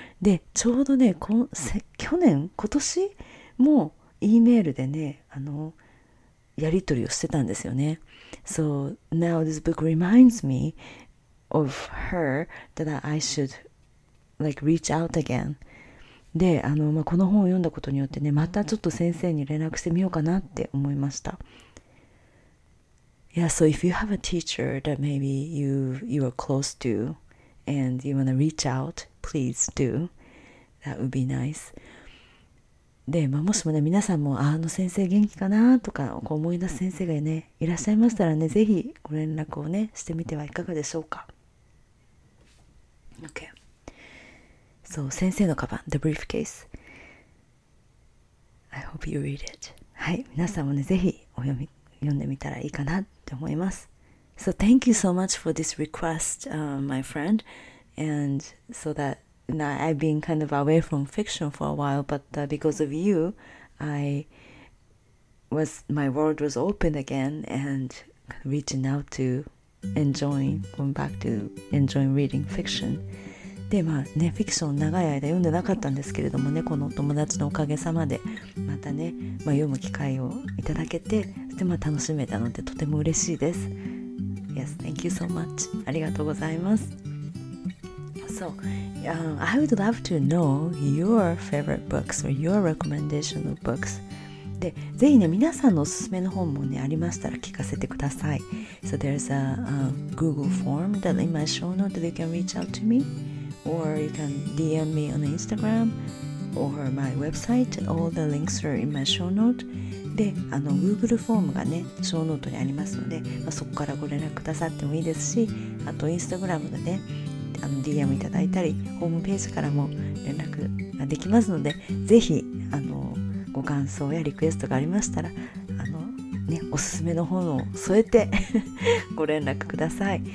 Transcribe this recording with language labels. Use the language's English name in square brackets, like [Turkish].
[Japanese] で、ちょうどね、去年、今年も、E メールでね、やり取りをしてたんですよね。 [English] So now this book reminds me of her that I should like reach out again. [Japanese] で、この本を読んだことによってね、またちょっと先生に連絡してみようかなって思いました。 [English] Yeah, so if you have a teacher that maybe you are close to and you want to reach out, please do. That would be nice. [Japanese] で、まあ、もしもね、皆さんも、あの先生元気かなとか、こう思い出す先生がね、いらっしゃいましたらね、ぜひご連絡をね、してみてはいかがでしょうか。 [English] Okay. [Japanese] そう、先生のカバン、The Briefcase. [English] I hope you read it. [Japanese] はい、皆さんもね、ぜひお読んでみたらいいかなって思います。 [English] So thank you so much for this request, my friend. And so that now I've been kind of away from fiction for a while, but because of you, my world was opened again and reaching out to going back to enjoying reading fiction. [Japanese] で、まあね、フィクション長い間読んでなかったんですけれどもね、この友達のおかげさまで、またね、まあ、読む機会をいただけて、そしてまあ楽しめたので、とても嬉しいです。 [English] Yes, thank you so much. [Japanese] ありがとうございます。 [English] So, I would love to know your favorite books or your recommendation of books. [Japanese] で、ぜひね、皆さんのおすすめの本もね、ありましたら聞かせてください。 [English] So there's a Google form that in my show note that you can reach out to me. Or you can DM me on Instagram or my website. All the links are in my show note. [Japanese] で、Google フォームがね、ショーノートにありますので、まあ、そこからご連絡くださってもいいですし、あと Instagram でね、DM いただいたり、ホームページからも連絡ができますので、ぜひ、ご感想やリクエストがありましたら、ね、おすすめの本を添えてご連絡ください。